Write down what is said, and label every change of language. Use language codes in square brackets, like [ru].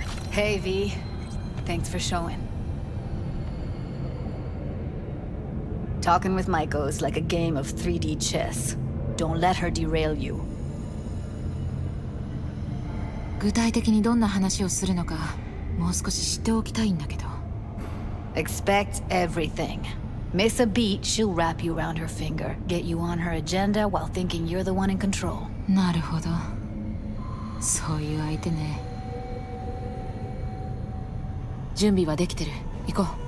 [en] Hey, V. Thanks for showing. Talking with Maiko is like a game of 3D chess. Don't let her derail you. [ja] 具体的にどんな話をするのか、もう少し知っておきたいんだけど。 [en] Expect everything. Miss a beat, she'll wrap you around her finger, get you on her agenda while thinking you're the one in control. [ja] なるほど。そういう相手ね。準備はできてる。行こう。